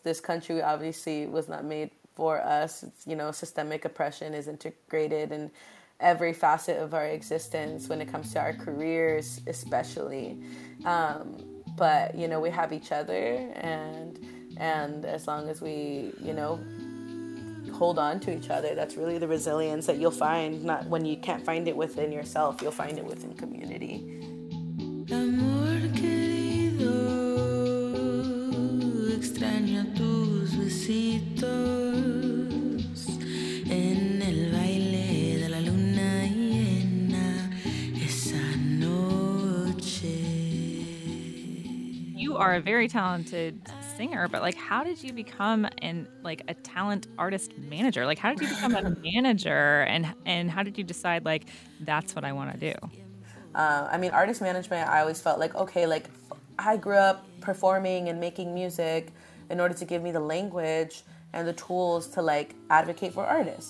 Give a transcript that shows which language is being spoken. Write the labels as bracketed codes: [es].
[en] This country obviously was not made for us. It's, you know, systemic oppression is integrated in every facet of our existence when it comes to our careers, especially. But, you know, we have each other, and as long as we, you know, hold on to each other, that's really the resilience that you'll find, not when you can't find it within yourself, you'll find it within community. [es] Amor querido, extraño tus besitos en el baile de la luna llena esa noche. [en] You are a very talented singer, but like, how did you become a talent artist manager? Like, how did you become a manager, and how did you decide like, that's what I want to do? I mean, artist management, I always felt like, okay, like, I grew up performing and making music in order to give me the language and the tools to, like, advocate for artists.